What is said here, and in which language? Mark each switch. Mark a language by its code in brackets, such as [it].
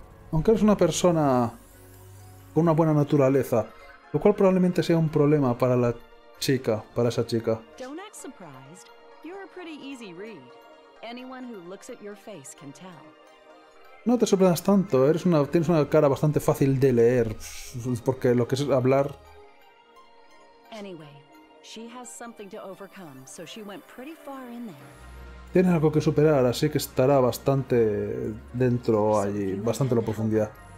[es] Aunque eres una persona con una buena naturaleza, lo cual probablemente sea un problema para la chica, para esa chica. [en] Don't act surprised. You're a pretty easy read. Anyone who looks at your face can tell. [es] No te sorprendas tanto, tienes una cara bastante fácil de leer, porque lo que es hablar. [en] Anyway, she has something to overcome, so she went pretty far in there. [es] Tiene algo que superar, así que estará bastante dentro allí, bastante en la profundidad.